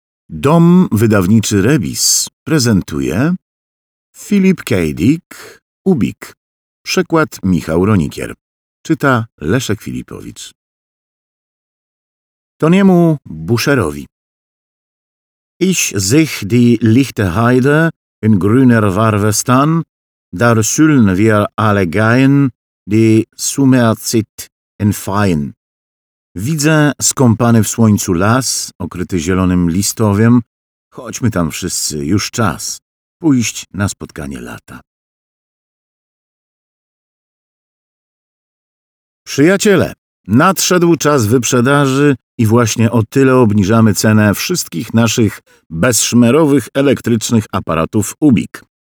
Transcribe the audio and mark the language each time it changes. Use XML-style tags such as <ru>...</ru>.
<pl>Dom wydawniczy Rebis prezentuje Philip K. Dick, Ubik. Przekład Michał Ronikier. Czyta Leszek Filipowicz. Toniemu Boucherowi.</pl> <de>Ich sehe die lichte Heide in grüner Farbe stehen, da sollen wir alle gehen, die Sommerzeit entfallen.</de> <pl>Widzę skąpany w słońcu las, okryty zielonym listowiem. Chodźmy tam wszyscy, już czas pójść na spotkanie lata. Przyjaciele, nadszedł czas wyprzedaży i właśnie o tyle obniżamy cenę wszystkich naszych bezszmerowych elektrycznych aparatów Ubik.</pl>